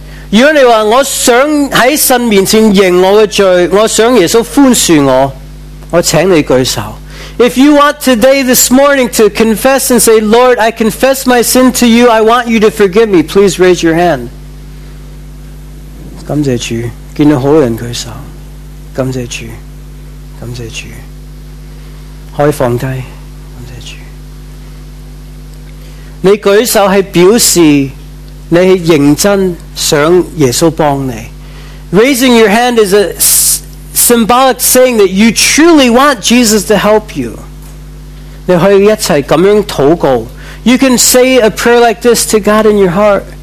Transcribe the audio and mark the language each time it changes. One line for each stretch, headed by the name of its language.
Cantonese: 如果你说我想在神面前认我的罪，我想耶稣宽恕我，我请你举手。
English: If you want today, this morning, to confess and say, Lord, I confess my sin to you, I want you to forgive me, please raise your hand.
Cantonese: 感谢主，见到好人举手。感谢主，感谢主。可以放低。你举手是表示你认真想耶稣帮你。
English: Raising your hand is a symbolic saying that you truly want Jesus to help you.
Cantonese: 你可以一起这样祷告。
English: You can say a prayer like this to God in your heart.